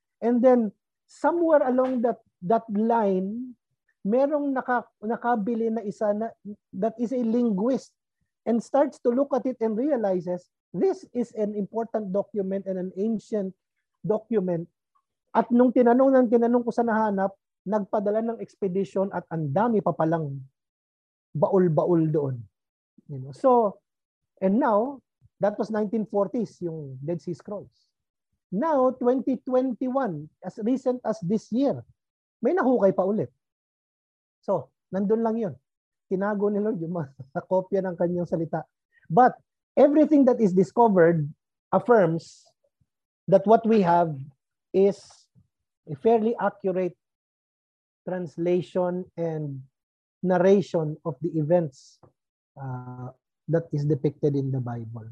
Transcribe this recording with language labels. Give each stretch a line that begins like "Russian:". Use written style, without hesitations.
English: And then, somewhere along that line,
Filipino: merong nakabili na isa na,
English: that is a linguist and starts to look at it and realizes this is an important document and an ancient document.
Filipino: At nung tinanong ko sa nahanap, nagpadala ng expedition at ang dami pa palang baul-baul doon.
English: You know? So, and now, that was 1940s, yung Dead Sea Scrolls. Now, 2021, as recent as this year,
Filipino: may nahukay pa ulit. So, nandun lang yun. Tinago ni Lord yung mga kopya ng kanyang salita.
English: But, everything that is discovered affirms that what we have is a fairly accurate translation and narration of the events that is depicted in the Bible.